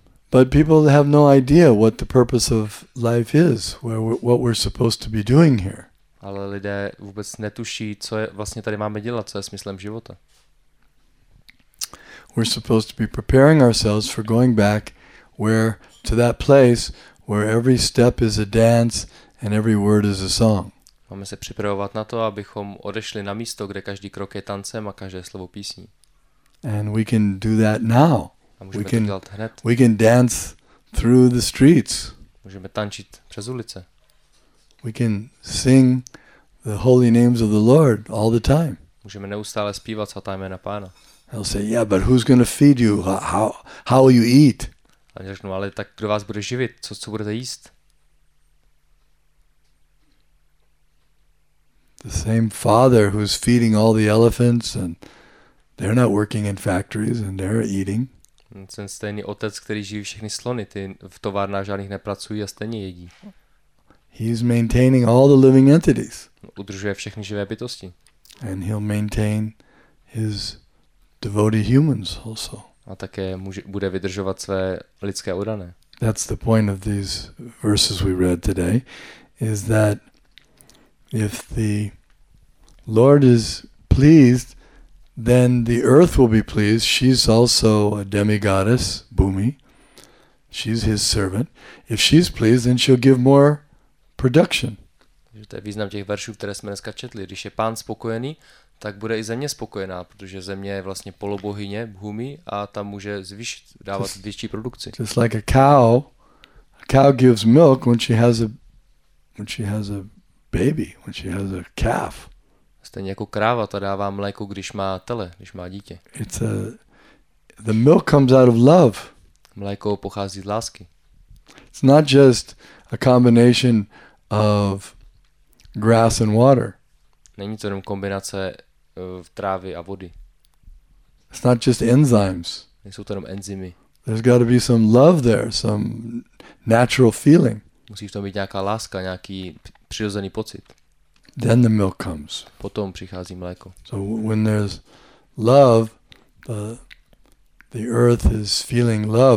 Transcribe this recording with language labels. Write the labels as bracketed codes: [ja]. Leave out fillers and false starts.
[en] But people have no idea what the purpose of life is, what we're supposed to be doing here. [cs] Ale lidé vůbec netuší, co je, vlastně tady máme dělat, co je smyslem života. [en] We're supposed to be preparing ourselves for going back where to that place where every step is a dance and every word is a song. [cs] Máme se připravovat na to, abychom odešli na místo, kde každý krok je tancem a každé slovo písní. [en] And we can do that now. [cs] A můžeme to dělat hned. [en] We can dance through the streets. [cs] Můžeme tančit přes ulice. [en] We can sing the holy names of the Lord all the time. [cs] Můžeme neustále zpívat svatá jména Pána. [en] They'll say, "Yeah, but who's going to feed you? How will you eat?" [cs] A oni řeknou, ale tak kdo vás bude živit? Co budete jíst? [en] The same father who's feeding all the elephants and they're not working in factories and they're eating. [cs] Ten stejný otec, který živí všechny slony, ty v továrnách žádných nepracují a stejně jedí. [en] He's maintaining all the living entities. [cs] Udržuje všechny živé bytosti. [en] And he'll maintain his devoted humans also. [cs] A také bude vydržovat své lidské oddané. [en] That's the point of these verses we read today, is that if the Lord is pleased, then the earth will be pleased. She's also a demigoddess, Bhumi. She's his servant. If she's pleased, then she'll give more production. [cs] Takže to je význam těch veršů, které jsme dneska četli. Když je pán spokojený, tak bude i země spokojená, protože země je vlastně polobohyně, Bhumi, a tam může zvýšit, dávat just, větší produkci. [en] Just like a cow gives milk when she has a baby, when she has a calf. [cs] Stejně jako kráva, ta dává mléko, když má tele, když má dítě. [en] The milk comes out of love. [cs] Mléko pochází z lásky. [en] It's not just a combination of grass and water. [cs] Není to jenom kombinace trávy a vody. [en] It's not just enzymes. [cs] Nejsou to jenom enzymy. [en] There's got to be some love there, some natural feeling. [cs] Musí v tom být nějaká láska, nějaký přirozený pocit. [en] Then the milk comes. [cs] Potom přichází mléko. [en] So when there's love, the earth is feeling love.